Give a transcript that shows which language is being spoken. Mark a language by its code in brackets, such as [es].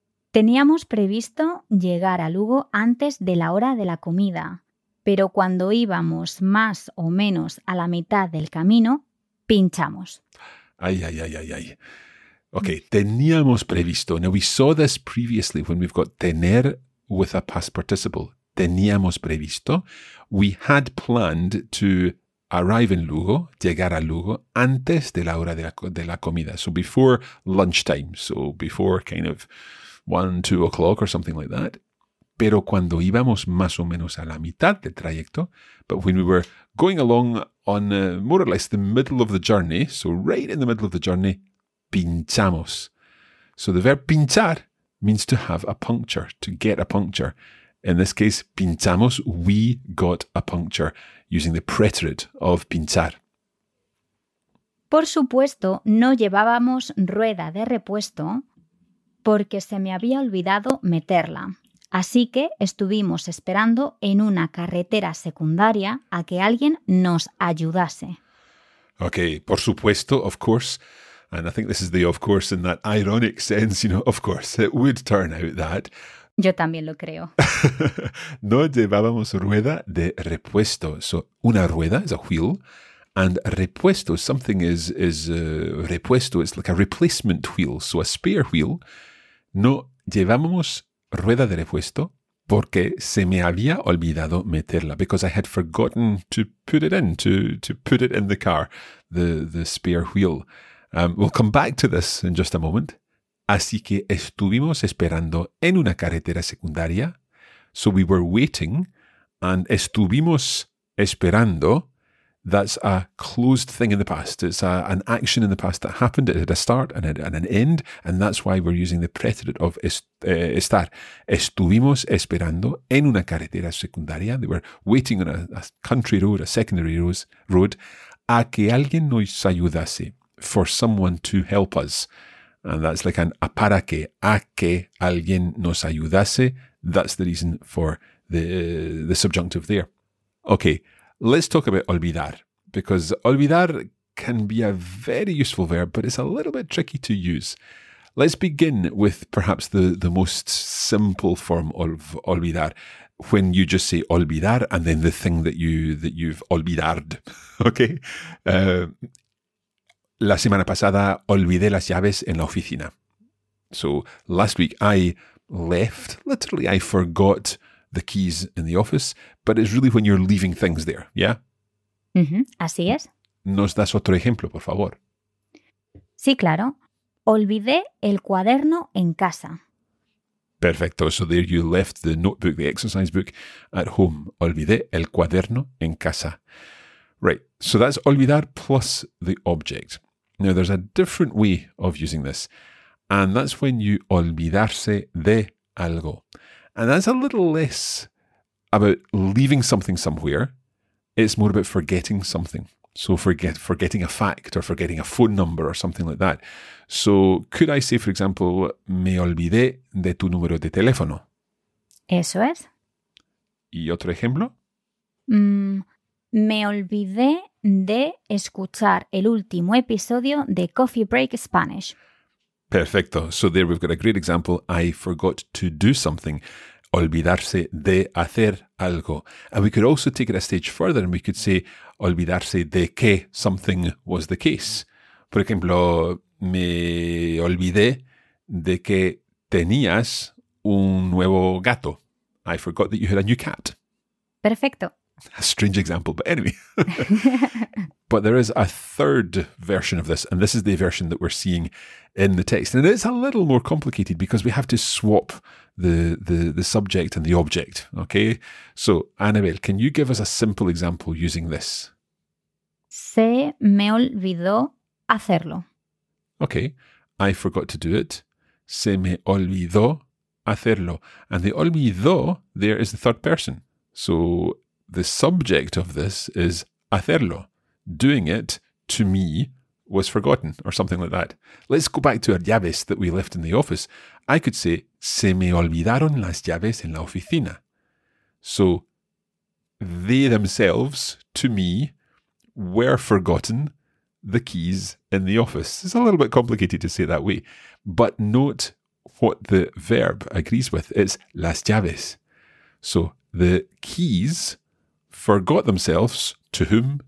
[es] Teníamos previsto llegar a Lugo antes de la hora de la comida, pero cuando íbamos más o menos a la mitad del camino, pinchamos. Ay, ay, ay, ay, ay. [en] Okay, [es] teníamos previsto. [en] Now, we saw this previously when we've got tener with a past participle. [es] Teníamos previsto. [en] We had planned to arrive in Lugo, [es] llegar a Lugo, antes de la hora de la comida. [en] So before lunchtime. So before kind of 1, 2 o'clock or something like that. [es] Pero cuando íbamos más o menos a la mitad del trayecto, [en] but when we were going along on more or less the middle of the journey, so right in the middle of the journey, [es] pinchamos. [en] So the verb pinchar means to have a puncture, to get a puncture. In this case, [es] pinchamos, [en] we got a puncture, using the preterite of pinchar. [es] Por supuesto, no llevábamos rueda de repuesto porque se me había olvidado meterla. Así que estuvimos esperando en una carretera secundaria a que alguien nos ayudase. [en] Okay, [es] por supuesto, [en] of course. And I think this is the of course in that ironic sense, you know, of course, it would turn out that. [es] Yo también lo creo. [en] No llevábamos rueda de repuesto. So una rueda is a wheel, and repuesto, something is repuesto. It's like a replacement wheel, so a spare wheel. [es] No llevábamos rueda de repuesto porque se me había olvidado meterla, [en] because I had forgotten to put it in, to put it in the car, the spare wheel. We'll come back to this in just a moment. [es] Así que estuvimos esperando en una carretera secundaria. [en] So we were waiting and [es] estuvimos esperando. [en] That's a closed thing in the past. It's an action in the past that happened. It had a start and an end. And that's why we're using the preterite of estar. [es] Estuvimos esperando en una carretera secundaria. [en] They were waiting on a country road, a secondary road, [es] a que alguien nos ayudase. [en] For someone to help us. And that's like a [es] para que, a que alguien nos ayudase. [en] That's the reason for the subjunctive there. Okay, let's talk about olvidar. Because olvidar can be a very useful verb, but it's a little bit tricky to use. Let's begin with perhaps the most simple form of olvidar. When you just say olvidar and then the thing that you've olvidared. Okay? [es] La semana pasada olvidé las llaves en la oficina. [en] So last week I left, literally I forgot the keys in the office, but it's really when you're leaving things there, yeah? [es] Mm-hmm. Así es. ¿Nos das otro ejemplo, por favor? Sí, claro. Olvidé el cuaderno en casa. Perfecto. [en] So there you left the notebook, the exercise book at home. [es] Olvidé el cuaderno en casa. [en] Right, so that's olvidar plus the object. Now, there's a different way of using this, and that's when you olvidarse de algo. And that's a little less about leaving something somewhere. It's more about forgetting something. So forgetting a fact or forgetting a phone number or something like that. So could I say, for example, [es] me olvidé de tu número de teléfono? Eso es. ¿Y otro ejemplo? Me olvidé de escuchar el último episodio de Coffee Break Spanish. Perfecto. [en] So there we've got a great example. I forgot to do something. [es] Olvidarse de hacer algo. [en] And we could also take it a stage further and we could say, [es] olvidarse de que [en] something was the case. [es] Por ejemplo, me olvidé de que tenías un nuevo gato. [en] I forgot that you had a new cat. [es] Perfecto. [en] A strange example, but anyway. But there is a third version of this, and this is the version that we're seeing in the text. And it's a little more complicated because we have to swap the subject and the object, okay? So, Annabelle, can you give us a simple example using this? [es] Se me olvidó hacerlo. [en] Okay, I forgot to do it. [es] Se me olvidó hacerlo. [en] And the olvidó there is the third person. So the subject of this is hacerlo. Doing it, to me, was forgotten, or something like that. Let's go back to our llaves that we left in the office. I could say, [es] se me olvidaron las llaves en la oficina. [en] So, they themselves, to me, were forgotten the keys in the office. It's a little bit complicated to say that way. But note what the verb agrees with. It's las llaves. So, the keys forgot themselves to whom?